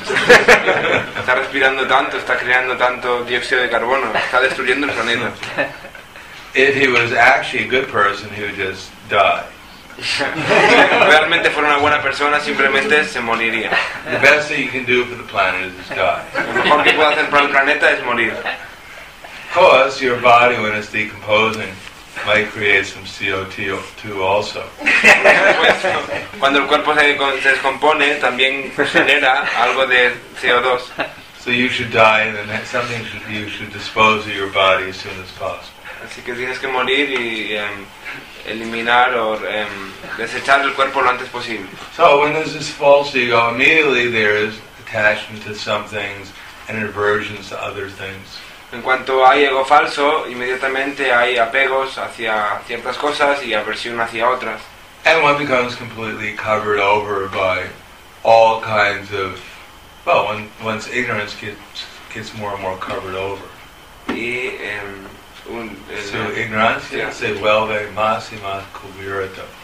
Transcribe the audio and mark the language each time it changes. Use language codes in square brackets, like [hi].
[es] Está respirando tanto, está creando tanto dióxido de carbono, está destruyendo el planeta. [en] If he was actually a good person, he would just die. [es] Si realmente fuera una buena persona, simplemente se moriría. [en] The best thing you can do for the planet is die. [es] Lo mejor que puedo hacer para el planeta es morir. [en] Of course, your body, when it's decomposing, might create some CO2 also. [es] Cuando el cuerpo se descompone, también genera algo de CO2. [en] So you should die, and then something you should dispose of your body as soon as possible. [es] Así que tienes que morir y eliminar o desechar el cuerpo lo antes posible. [en] So when there's this false ego, immediately there is attachment to some things and aversions to other things. [es] En cuanto hay ego falso, inmediatamente hay apegos hacia ciertas cosas y aversión hacia otras. [en] And one becomes completely covered over by all kinds of, well, one's ignorance gets more and more covered over. [es] Y su ignorancia se vuelve más y más cubierta.